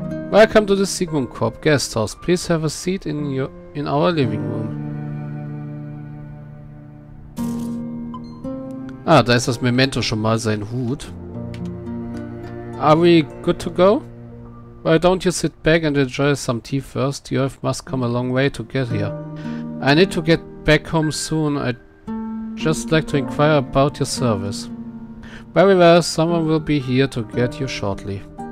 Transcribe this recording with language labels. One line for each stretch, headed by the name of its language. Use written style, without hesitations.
English: Welcome to the Sigmund Corp Guesthouse. Please have a seat in our living room.
German: Ah, da ist das Memento schon mal, sein Hut.
English: Are we good to go? Why don't you sit back and enjoy some tea first? You have must come a long way to get here. I need to get back home soon. I'd just like to inquire about your service. Very well, someone will be here to get you shortly.